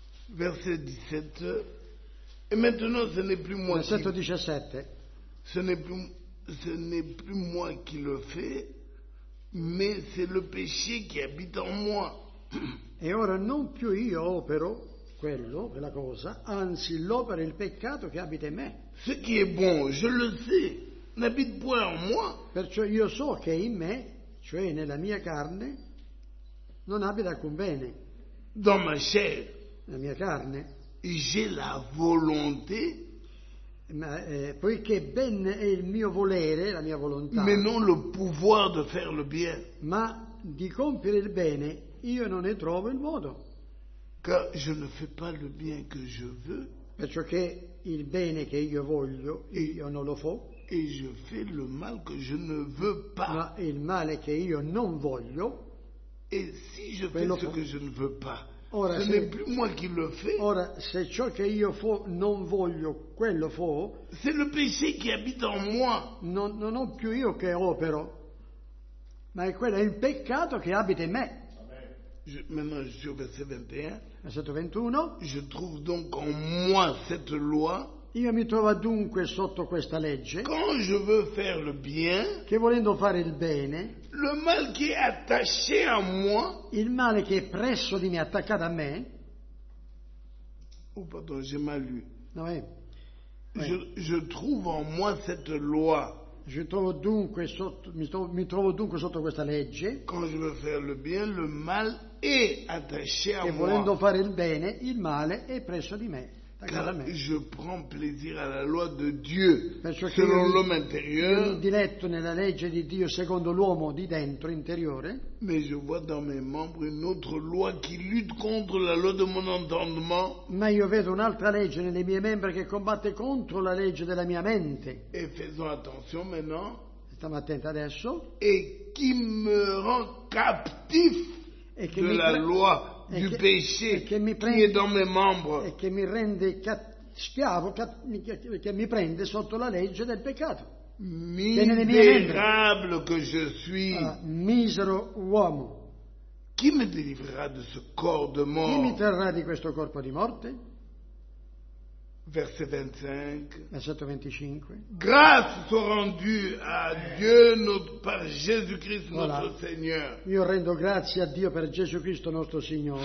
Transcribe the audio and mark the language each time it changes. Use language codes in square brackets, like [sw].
[fr] Verset 17. Et maintenant, ce n'est plus moi qui... Verset 17. Ce n'est plus moi qui le fais, mais c'est le péché qui habite en moi. [it] Et ora non più io opero quello, quella cosa, anzi l'opera il peccato che abita in me. [fr] Ce qui est bon, je le sais, n'habite point en moi. [it] Perciò io so che in me, cioè nella mia carne, non abita alcun bene. [fr] Dans ma chair. [it] La mia carne. [fr] J'ai la volonté. [it] Ma, poiché ben è il mio volere, la mia volontà. [fr] Mais non le pouvoir de faire le bien. [it] Ma di compiere il bene, io non ne trovo il modo. [fr] Car je ne fais pas le bien que je veux. [it] Perciò che il bene che io voglio, io non lo fo. [fr] Et je fais le mal que je ne veux pas. [it] Ma il male che io non voglio. [fr] Et si je fais ce que je ne veux pas, ora, ce n'est plus moi qui le fais. [it] Ora, se ciò che io fo non voglio, quello fo. [fr] C'est le péché qui habite en moi. [it] Non ho più io che opero, ma è quello, è il peccato che abita in me. [fr] Maintenant, je suis au verset 21. Verset 21. Je trouve donc en moi cette loi. [it] Io mi trovo dunque sotto questa legge. [fr] Quand je veux faire le bien. [it] Che volendo fare il bene. [fr] Le mal qui est attaché à moi. [it] Il male che è presso di me, attaccato a me. [fr] Oh, pardon, j'ai mal lu. No, ouais. Je trouve en moi cette loi. [it] Mi trovo dunque sotto questa legge. [fr] Quand je veux faire le bien, le mal est attaché à moi. [it] E volendo fare il bene, il male è presso di me. [fr] Car je prends plaisir à la loi de Dieu, perciò selon l'homme intérieur. [it] Io diletto nella legge di Dio secondo l'uomo di dentro, interiore. [fr] Mais je vois dans mes membres une autre loi qui lutte contre la loi de mon entendement. [it] Ma io vedo un'altra legge nelle mie membra che combatte contro la legge della mia mente. [fr] Et faisons attention maintenant. [it] Stiamo attenti adesso. [fr] Et qui me rend captif de la loi. Du péché qui est dans mes membres. [it] E che mi rende schiavo, che mi prende sotto la legge del peccato. [fr] Miserable que je suis. [it] Misero uomo. Chi mi deliverà [fr] de ce corps de mort? [it] Chi mi terrà di questo corpo di morte? [fr] Verset 25. [it] Versetto 25. [fr] Grâce soit rendue à Dieu notre par Jésus-Christ notre voilà. Seigneur. [it] Io rendo grazie a Dio per Gesù Cristo nostro Signore.